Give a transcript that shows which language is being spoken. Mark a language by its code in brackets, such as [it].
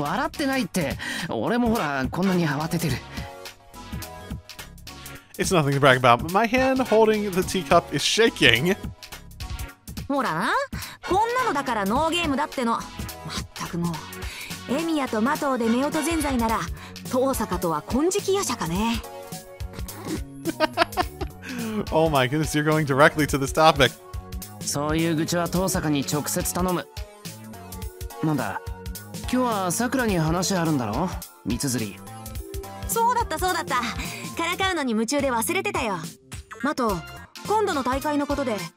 [ja] 笑ってないって、俺もほらこんなに慌ててる。 [en] It's nothing to brag about, but my hand holding the teacup is shaking. [ja] ほらな、こんなのだからノーゲームだっての。まったくもう、エミヤとマトウで夫婦ぜんざいなら遠坂とは金色夜叉かね。 [en] Oh my goodness, you're going directly to this topic. [ja] そういう愚痴は遠坂に直接頼む。なんだ、今日はさくらに話あるんだろ、三つ釣り。そうだった、そうだった。からかうのに夢中で忘れてたよ。マト、今度の大会のことで。